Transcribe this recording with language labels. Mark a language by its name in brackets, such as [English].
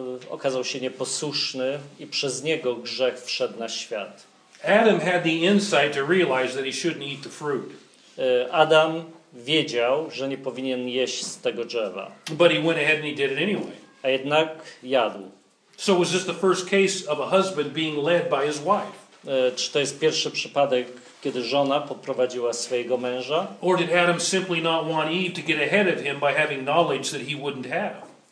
[Polish] okazał się nieposłuszny i przez niego grzech wszedł na świat. [English] Adam had the insight to realize that he shouldn't eat the fruit. [Polish] Adam wiedział, że nie powinien jeść z tego drzewa. [English] But he went ahead and he did it anyway. [Polish] A jednak jadł. [English] So was this the first case of a husband being led by his wife? [Polish] Czy to jest pierwszy przypadek, kiedy żona podprowadziła swojego męża? [English] Or did Adam simply not want Eve to get ahead of him by having knowledge that he wouldn't have?